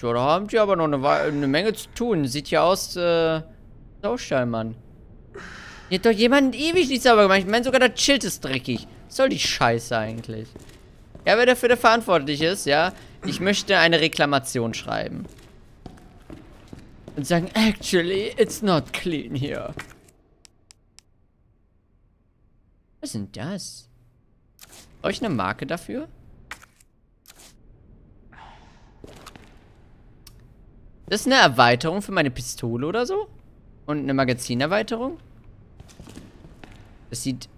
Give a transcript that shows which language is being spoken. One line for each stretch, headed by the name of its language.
German: Ja, da haben die aber noch eine Menge zu tun. Sieht ja aus, Saustall, Mann. Hier hat doch jemand ewig nicht sauber gemacht. Ich meine, sogar das Schild ist dreckig. Was soll die Scheiße eigentlich? Ja, wer dafür der verantwortlich ist, ja? Ich möchte eine Reklamation schreiben. Und sagen,
English: actually, it's not clean here.
German: Was sind das? Brauche ich eine Marke dafür? Das ist eine Erweiterung für meine Pistole oder so? Und eine Magazinerweiterung? Das sieht